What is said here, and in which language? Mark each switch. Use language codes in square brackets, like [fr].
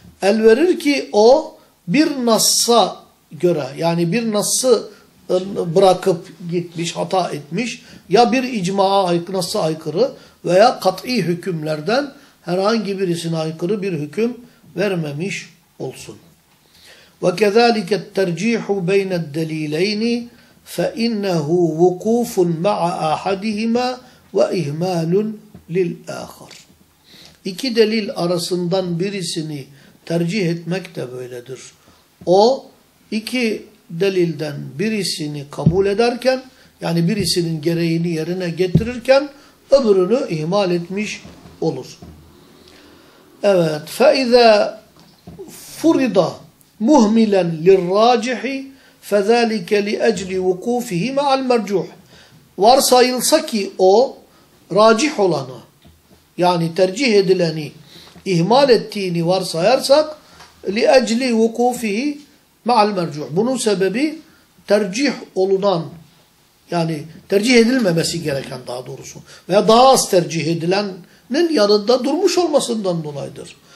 [tr] El verir ki o bir nassa göre, yani bir nassı bırakıp gitmiş, hata etmiş, ya bir icmaa nassa aykırı veya kat'i hükümlerden herhangi birisine aykırı bir hüküm vermemiş olsun. [ar] وكذلك الترجيح بين الدليلين فإنه وقوف مع أحدهما وإهمال للآخر. [tr] İki delil arasından birisini tercih etmek de böyledir. O iki delilden birisini kabul ederken, yani birisinin gereğini yerine getirirken öbürünü ihmal etmiş olur. [ar] Evet, فإذا فرض مهملا للراجح فذلك لأجل وقوفه مع المرجوح. [tr] Varsayılsa ki o racih olanı, yani tercih edileni ihmal ettiğini varsayarsak, [ar] لأجل وقوفه مع المرجوح, [tr] bunun sebebi tercih olunan, yani tercih edilmemesi gereken daha doğrusu veya daha az tercih edilenin yanında durmuş olmasından dolayıdır.